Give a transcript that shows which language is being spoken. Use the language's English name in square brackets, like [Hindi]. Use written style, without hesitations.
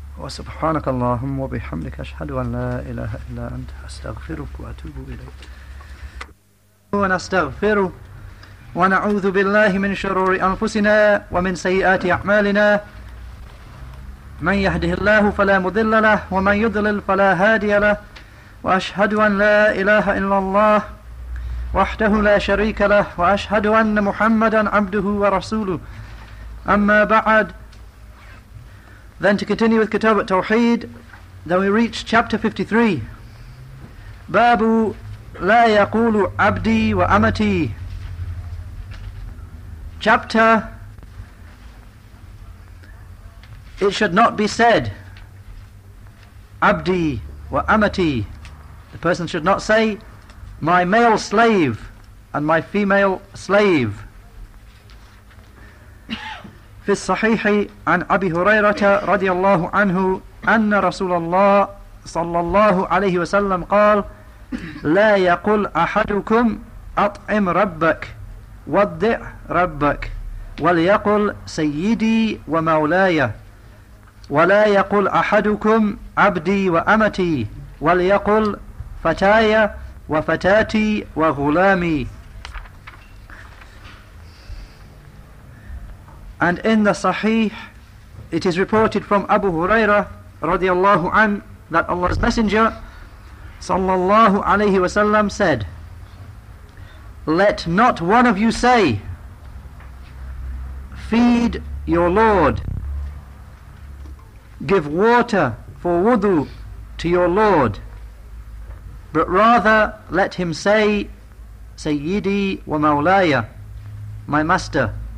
[Arabic] سبحانك اللهم وبحمدك أشهد أن لا إله إلا أنت أستغفرك وأتوب إليك ونستغفر ونعوذ بالله من شرور أنفسنا ومن سيئات أعمالنا من يهده الله فلا مضل له ومن يضلل فلا هادي له وأشهد أن لا إله إلا الله وحده لا شريك له وأشهد أن محمدا عبده ورسوله أما بعد. [English] Then to continue with Kitab al-Tawheed, then we reach chapter 53. [Arabic] Babu la yaqulu abdi wa amati. [English] Chapter, it should not be said, [Arabic] abdi wa amati. [English] The person should not say, my male slave and my female slave. [Arabic] في الصحيح عن أبي هريرة رضي الله عنه أن رسول الله صلى الله عليه وسلم قال لا يقول أحدكم أطعم ربك ودع ربك وليقل سيدي ومولاي ولا يقول أحدكم عبدي وأمتي وليقل فتاي وفتاتي وغلامي. [English] And in the Sahih, it is reported from Abu Huraira radiallahu an that Allah's Messenger sallallahu alayhi wa sallam said, let not one of you say, feed your Lord, give water for wudu to your Lord, but rather let him say, [Arabic] Sayyidi wa Mawlaya, [English] my Master.